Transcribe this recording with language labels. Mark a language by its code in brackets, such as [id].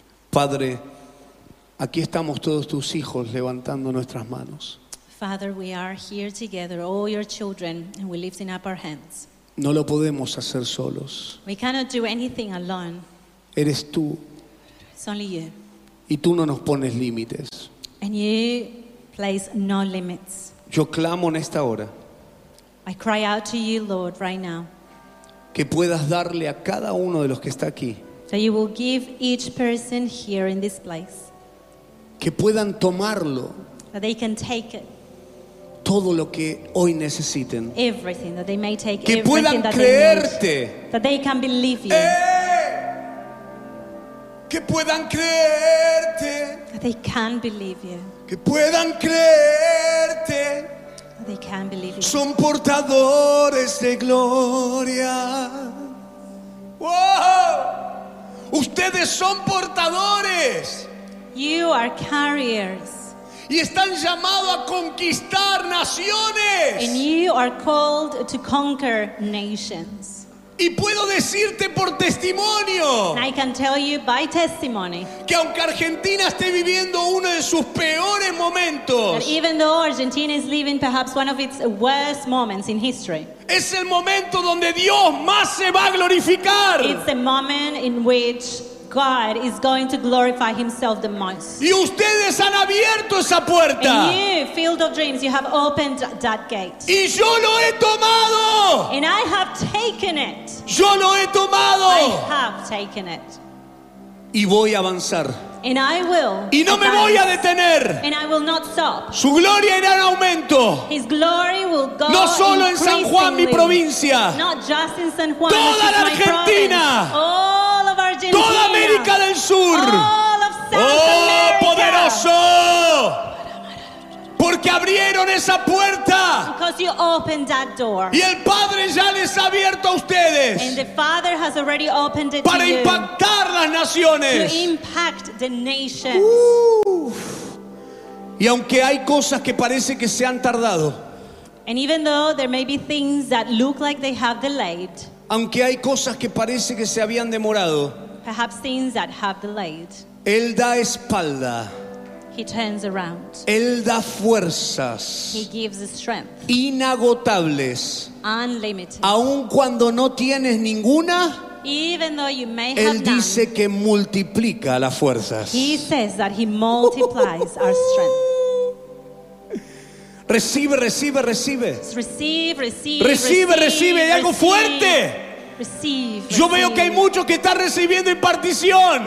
[es] Padre, aquí estamos todos tus hijos levantando nuestras manos. [en] Father, we are here together, all your children, and we're lifting up our hands. [es] No lo podemos hacer solos. [en] We cannot do anything alone. [es] Eres tú. [en] It's only you. [es] Y tú no nos pones límites. [en] And you place no limits. [es] Yo clamo en esta hora. [en] I cry out to you, Lord, right now. [es] Que puedas darle a cada uno de los que está aquí. [en] That you will give each person here in this place. [es] Que puedan tomarlo. [en] That they can take it. [es] Todo lo que hoy necesiten. [en] Everything that they may take. [es] Que [en] everything [es] puedan creerte. [en] That they can believe you. ¡Eh! [es] que puedan creerte. [en] That they can believe you. [es] Que puedan creerte. [en] They can believe you. [es] Son portadores de gloria. [en] Wow. [es] Ustedes son portadores. [en] You are carriers. [es] Y están llamados a conquistar naciones. [en] And you are called to conquer nations. [es] Y puedo decirte por testimonio. [en] And I can tell you by testimony. [es] Que aunque Argentina esté viviendo uno de sus peores momentos. [en] That even though Argentina is living perhaps one of its worst moments in history. [es] Es el momento donde Dios más se va a glorificar. [en] It's the moment in which God is going to glorify himself the most. [es] Y ustedes han abierto esa puerta. [en] And you, Field of Dreams, you have opened that gate. [es] Y yo lo he tomado. [en] And I have taken it. [es] Yo lo he tomado. [en] I have taken it. [es] Y voy a avanzar. [en] And I will. [es] Y no me voy a detener. [en] And I will not stop. [es] Su gloria irá en aumento. [en] His glory will go. [es] No solo en San Juan, mi provincia. [en] Not just in San Juan. [es] Toda la Argentina. [en] All of Argentina. [es] Toda América del Sur. [en] All of South America. [es] Oh, poderoso. Porque abrieron esa puerta. [en] Because you opened that door. [es] Y el Padre ya les ha abierto a ustedes. [en] And the Father has already opened it [es] para impactar [en] you [es] las naciones. [en] To impact the nations. [es] Y aunque hay cosas que parece que se han tardado. [en] And even though there may be things that look like they have delayed. [es] Aunque hay cosas que parece que se habían demorado. [en] Perhaps things that have delayed. [es] Él da espalda. [en] He turns around. [es] Él da fuerzas. [en] He gives strength. [es] Inagotables. [en] Unlimited. [es] Aun cuando no tienes ninguna, [en] even though you may have [es] Él dice que multiplica las fuerzas. [en] He says that he multiplies our strength. [es] Recibe, recibe, recibe. Recibe, recibe, recibe. Recibe, recibe, y algo fuerte. Recibe. Yo veo que hay muchos que están recibiendo impartición.